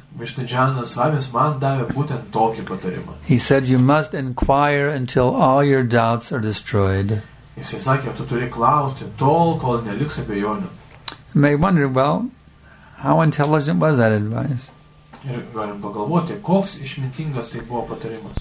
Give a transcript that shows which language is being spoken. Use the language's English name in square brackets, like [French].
[Lithuanian] Vishnujana Swami man davė būtent tokį patarimą. [English] He said, you must inquire until all your doubts are destroyed. [Lithuanian] Jis sakė, tu turi klausti tol, kol neliks abejonių. [English] You may wonder, well, how intelligent was that advice? [Lithuanian] Ir galim pagalvoti, koks išmintingas tai buvo patarimas.